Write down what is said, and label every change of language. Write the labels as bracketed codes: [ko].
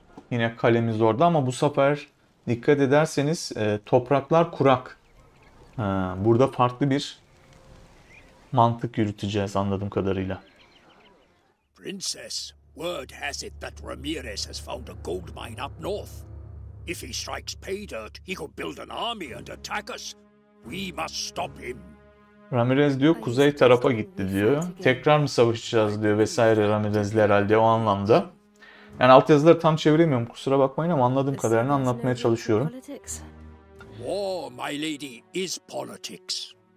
[tr] Yine kalemiz orada ama bu sefer dikkat ederseniz topraklar kurak. Burada farklı bir mantık yürüteceğiz anladığım kadarıyla. [en] Princess, word has it that Ramirez has found a gold mine up north. If he strikes pay dirt, he could build an army and attack us. We must stop him. [tr] Ramirez diyor kuzey tarafa gitti diyor. Tekrar mı savaşacağız diyor vesaire Ramirez'le herhalde o anlamda. Yani altyazıları tam çeviremiyorum kusura bakmayın ama anladığım kadarını anlatmaya çalışıyorum. [en] War, my lady, is politics.